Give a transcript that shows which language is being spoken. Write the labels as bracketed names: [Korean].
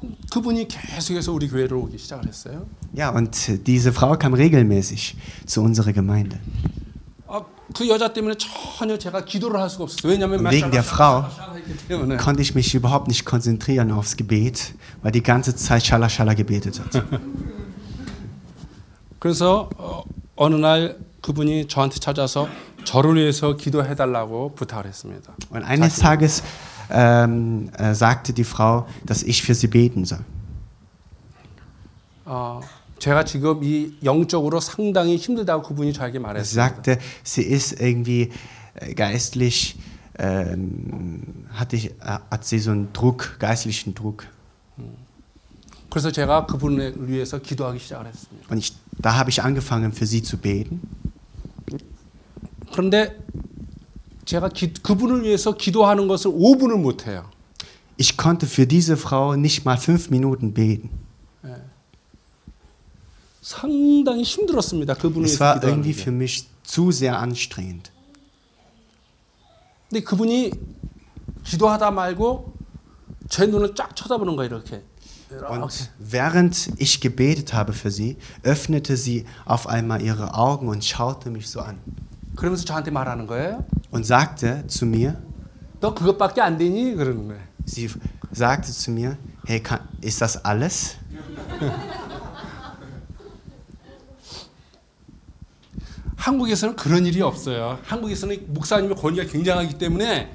[Korean] 그분이 계속해서 우리 교회를 오기 시작을 했어요. [German] Ja, und diese Frau kam regelmäßig zu unserer Gemeinde. [Korean] 그 여자 때문에 전혀 제가 기도를 할 수가 없었어요. 왜냐면 [German] wegen der Frau konnte ich mich überhaupt nicht konzentrieren aufs Gebet, weil die ganze Zeit Schalla-Schalla gebetet hat. [Korean] 그래서 어느 날 그분이 저한테 찾아서 저를 위해서 기도해 달라고 부탁을 했습니다. [German] Und eines Tages sagte die Frau, dass ich für sie beten soll. [Korean] 제가 지금 이 영적으로 상당히 힘들다고 그분이 저에게 말했어요. [German] Sagte, sie ist irgendwie geistlich hat sie so einen Druck, geistlichen Druck. [Korean] 그래서 제가 그분을 위해서 기도하기 시작했습니다. [German] Und da habe ich angefangen für sie zu beten. [Korean] 그런데 제가 그분을 위해서 기도하는 것을 5분을 못 해요. [German] Ich konnte für diese Frau nicht mal 5 Minuten beten. [Korean] 상당히 힘들었습니다. 그분의 [German] 기도. Es war irgendwie für mich zu sehr anstrengend. [Korean] 근데 그분이 기도하다 말고 제 눈을 쫙 쳐다보는 거 이렇게. [German] Und während ich gebetet habe für sie, öffnete sie auf einmal ihre Augen und schaute mich so an. [Korean] 그러면서 저한테 말하는 거예요. [German] Und sagte zu mir. [Korean] 너 그것밖에 안 되니 그러는 거예요. [German] Sie sagte zu mir, hey, ist das alles? [Korean] 한국에서는 그런 일이 없어요. 한국에서는 목사님의 권위가 굉장하기 때문에